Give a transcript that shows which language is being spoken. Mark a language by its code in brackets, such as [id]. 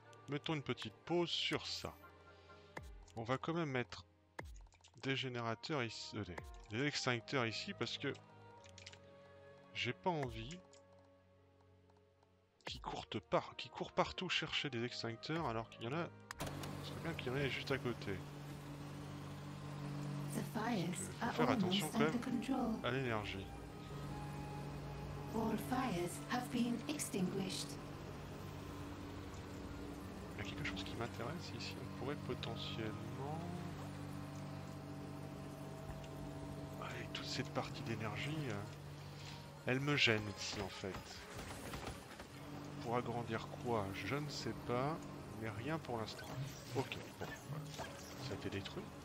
[fr] Mettons une petite pause sur ça. On va quand même mettre des générateurs ici, des extincteurs ici, parce que j'ai pas envie qu'ils courent partout chercher des extincteurs alors qu'il y en a. Ce serait bien qu'il y en ait juste à côté. Faut faire attention quand même à l'énergie. [en] All fires have been extinguished. [fr] Il y a quelque chose qui m'intéresse ici. On pourrait potentiellement... Allez, toute cette partie d'énergie, elle me gêne ici, en fait. Pour agrandir quoi? Je ne sais pas, mais rien pour l'instant. Ok, bon. Ça a été détruit.